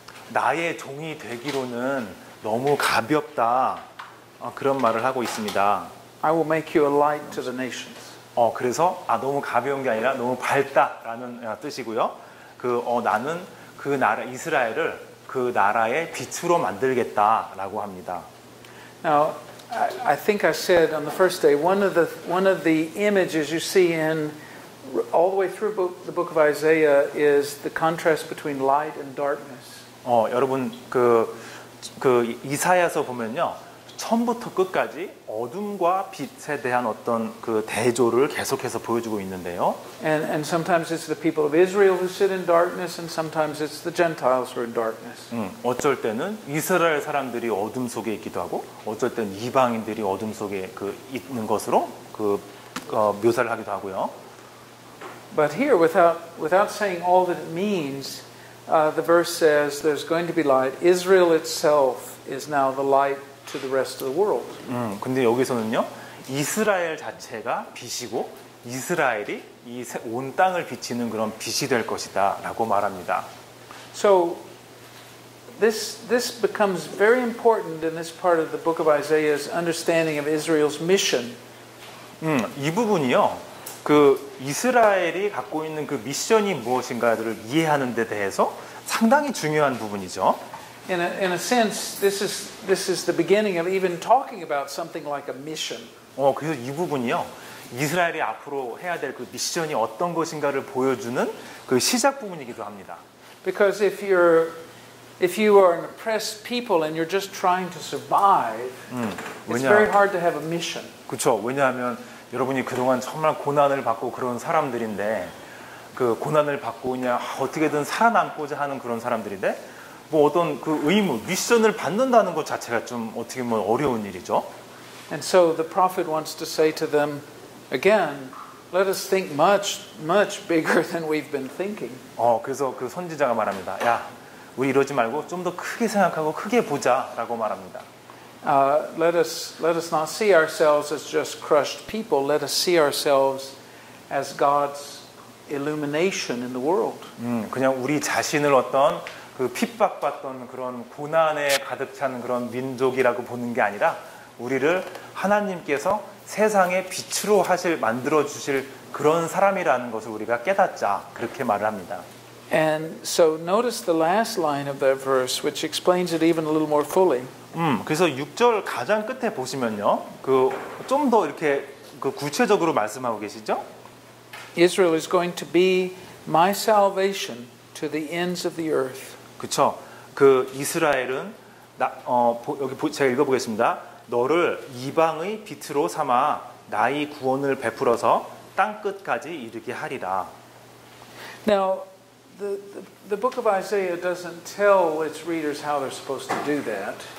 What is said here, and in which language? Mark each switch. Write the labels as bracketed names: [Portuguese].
[Korean] 나의 종이 되기로는 너무 가볍다. 그런 말을 하고 있습니다. [English] I will make you a light to the nations. [Korean] 그래서 너무 가벼운 게 아니라 너무 밝다라는 뜻이고요. 나는 그 나라 이스라엘을 그 나라의 빛으로 만들겠다라고 합니다. [English] Now, I think I said on the first day one of the images you see in all the way through the book of Isaiah is the contrast between light and darkness. [Korean] 여러분 그 이사야서 보면요. 처음부터 끝까지 어둠과 빛에 대한 어떤 그 대조를 계속해서 보여주고 있는데요. [English] And sometimes it's the people of Israel who sit in darkness, and sometimes it's the Gentiles who are in darkness. [Korean] 어쩔 때는 이스라엘 사람들이 어둠 속에 있기도 하고, 어쩔 때는 이방인들이 어둠 속에 있는 것으로 묘사를 하기도 하고요. [English] But here, without saying all that it means, the verse says there's going to be light. Israel itself is now the light. To the rest of the world. [Korean] 근데 여기서는요, 이스라엘 자체가 빛이고 이스라엘이 이 온 땅을 비치는 그런 빛이 될 것이다라고 말합니다. [English] So this becomes very important in this part of the book of Isaiah's understanding of Israel's mission. [Korean] 이 부분이요, 그 이스라엘이 갖고 있는 그 미션이 무엇인가를 이해하는 데 대해서 상당히 중요한 부분이죠. [English] In a sense, this is the beginning of even talking about something like a mission. [Korean] 그래서 이 부분이요, 이스라엘이 앞으로 해야 될 그 미션이 어떤 것인가를 보여주는 그 시작 부분이기도 합니다. [English] Because if you are an oppressed people and you're just trying to survive, it's very hard to have a mission. [Korean] 그렇죠. 왜냐하면 여러분이 그동안 정말 고난을 받고 그런 사람들인데, 그 고난을 받고 그냥 어떻게든 살아남고자 하는 그런 사람들인데. 뭐 어떤 그 의무, 미션을 받는다는 것 자체가 좀 어떻게 보면 어려운 일이죠. [English] And so the prophet wants to say to them again, let us think much, much bigger than we've been thinking. [Korean] 그래서 그 선지자가 말합니다. 야, 우리 이러지 말고 좀 더 크게 생각하고 크게 보자라고 말합니다. [English] Let us not see ourselves as just crushed people. Let us see ourselves as God's illumination in the world. [Korean] 그냥 우리 자신을 어떤 그 핍박받던 그런 고난에 가득 찬 그런 민족이라고 보는 게 아니라 우리를 하나님께서 세상의 빛으로 만들어주실 그런 사람이라는 것을 우리가 깨닫자 그렇게 말을 합니다. [English] And so notice the last line of that verse which explains it even a little more fully. [Korean] 그래서 6절 가장 끝에 보시면요. 그 좀 더 이렇게 그 구체적으로 말씀하고 계시죠? [English] Israel is going to be my salvation to the ends of the earth. [Korean] 그렇죠. 그 이스라엘은 제가 읽어보겠습니다. 너를 이방의 빛으로 삼아 나의 구원을 베풀어서 땅 끝까지 이르게 하리라. [English] Now, the book of Isaiah doesn't tell its readers how they're supposed to do that.